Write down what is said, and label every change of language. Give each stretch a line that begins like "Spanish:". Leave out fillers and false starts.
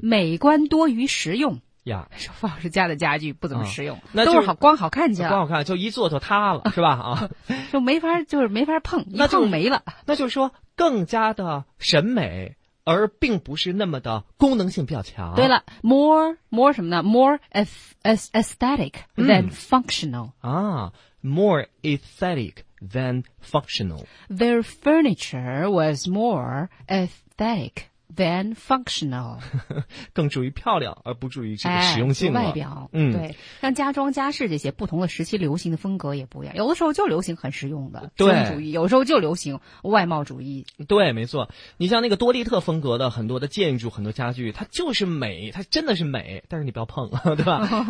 Chinese: 美观多于实用呀，说傅老师家的家具不怎么实用，那就都是好光好看去了，光好看就一坐就塌了，是吧？啊，就没法，就是没法碰，一碰没了。那就是说更加的审美，而并不是那么的功能性比较强。对了
English: ，more
Chinese: 什么呢
English: ？more aesthetic than functional、 more aesthetic than functional. Their furniture was more aesthetic. than functional，
Chinese: 更注意漂亮而不注意这个实用性了、外表，对，像家装家饰这些不同的时期流行的风格也不一样，有的时候就流行很实用的对实用主义，有时候就流行外貌主义，对，没错，你像那个多利特风格的很多的建筑很多家具它就是美，它真的是美，但是你不要碰，对吧？